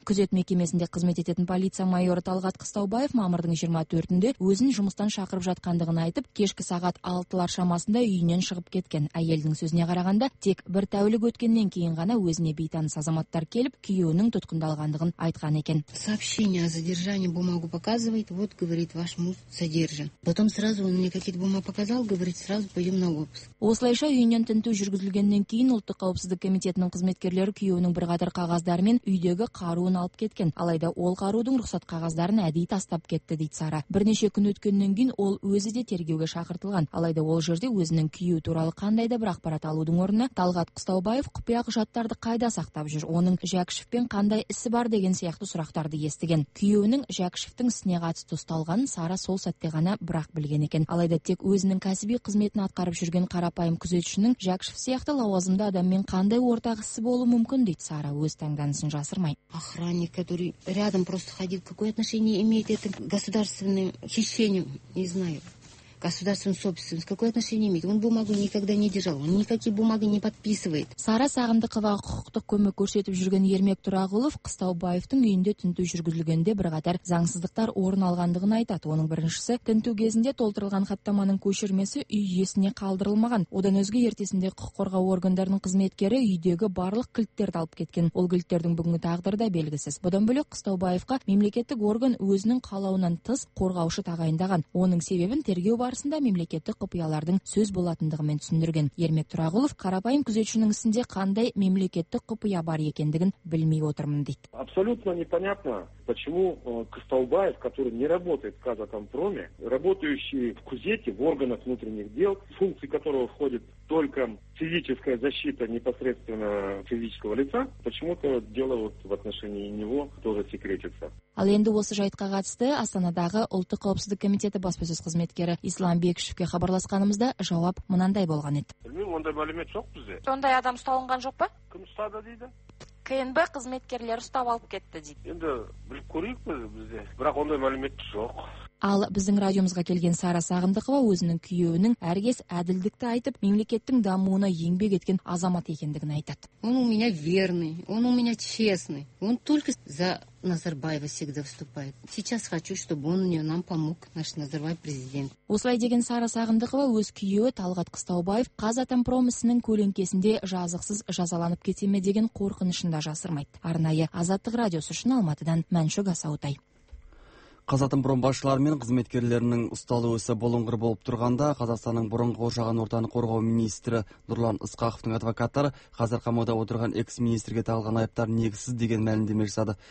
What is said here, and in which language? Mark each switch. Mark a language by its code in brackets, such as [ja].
[kk] Күзет мекемесінде қызмет ететін полиция майоры Талғат Қыстаубаев мамырдың 24-інде өзін жұмыстан шақырып жатқандығын айтып, кешкі сағат 6-лар шамасында үйінен шығып кеткен. Әйелдің сөзіне қарағанда, тек бір тәулік өткеннен кейін ғана өзіне бейтаныс азаматтар келіп, күйеуінің тұтқындалғандығын айтқан екен. [ru] Сообщение о задержании бумагу показывает, вот говорит, ваш муж содержан. Потом сразу он мне какие-то бумаги показал, говорит, сразу пойдем на обыск. [kk] Осылайша үйінен тінту жүргізілгеннен кейін ұлттық қауіпсіздік комитетінің қызметкерлері күйеуінің бірқатар қағаздары мен үйдегі қаруын алып кеткен. Алайда ол қарудың рұқсат қағаздарын әдейі тастап кетті дейді Сара. Бірнеше күн өткеннен кейін ол өзі де тергеуге шақыртылған. Алайда ол жерде өзінің күйеуі туралы қандай да бір ақпарат алудың орнына Талғат Қыстаубаев құпия құжаттарды қайда сақтап жүр, оның Жәкішевпен қандай ісі бар деген сияқты сұрақтарды естіген. Күйеуінің Жәкішевтің ісіне қатысты ұсталғанын Сара сол сәтте ғана бірақ білген екен. Алайда тек өзінің кәсіби қызметін атқарып жүрген қарапайым күзетшінің Жәкішев сияқты лауазымды адаммен қандай ортақ ісі болуы мүмкін дейді Сара өз таңданысын жасырмай. [ru] Охранник, который рядом просто ходит, какое отношение имеет это к государственному хищению, не знаю. Государственный собственник, какое отношение имеет? Он бумагу никогда не держал, он никакие бумаги не подписывает. [kk] Сара Сағындықова құқықтық көмек көрсетіп жүрген Ермек Тұрағұлов Қыстаубаевтың үйінде тінту жүргізілгенде бірқатар заңсыздықтар орын алғандығын айтады. Оның біріншісі, тінту кезінде толтырылған хаттаманың көшірмесі үй иесіне қалдырылмаған. Одан өзге ертесінде құқық қорғау органдарының қызметкері үйдегі барлық кілттерді алып кеткен. Ол кілттердің бүгінгі тағдыры да белгісіз. Бұдан бөлек Қыстаубаевқа мемлекеттік орган өзінің қалауынан тыс қорғаушы тағайындаған. Оның себебін тергеу барысында мемлекеттік құпиялардың сөз болатындығымен түсіндірген. Ермек Тұрағұлов қарапайым күзетшінің ісінде қандай мемлекеттік құпия бар екендігін білмей отырмын дейді. [ru] Абсолютно непонятно, почему Қыстаубаев, который не работает в Казатомпроме, работающий в Кузете, в органах внутренних дел, функции которого входит только физическая защита непосредственно физического лица, почему-то дело вот в отношении него тоже секретится. [kk] Ал енді осы жайтқа қатысты Астанадағы ұлттық қауіпсіздік комитеті баспасөз қызметкері Ислам Бекішевке хабарласқанымызда жауап мынандай болған еді. Білмеймін, ондай мәлімет жоқ бізде. Сондай адам ұсталған жоқ па? Кім ұстады дейді? КНБ қызметкерлері ұстап алып кетті дейді. Енді біліп көрейік біз бізде. Бірақ ондай мәлімет жоқ. Ал біздің радиомызға келген Сара Сағындықова өзінің күйеуінің әргес әділдікті айтып, мемлекеттің дамуына еңбек еткен азамат екендігін айтады. [ru] Он у меня верный, он у меня честный. Он только за Назарбаева всегда выступает. Сейчас хочу, чтобы он мне нам помог, наш Назарбаев президент. [kk] Осылай деген Сара Сағындықова өз күйеуі Талғат Қыстаубаев Қазатомпром ісінің көлеңкесінде жазықсыз жазаланып кете ме деген қорқынышын да жасырмайды. Арнайы Азаттық радиосы үшін Алматыдан Мәншүк Асаутай. Қазатомпром басшылары мен қызметкерлерінің ұсталу ісі бұлыңғыр болып тұрғанда Қазақстанның бұрынғы қоршаған ортаны қорғау министрі Нұрлан Ысқақовтың адвокаттары қазір қамауда отырған экс-министрге тағылған айыптар негізсіз деген мәлімдеме жасады.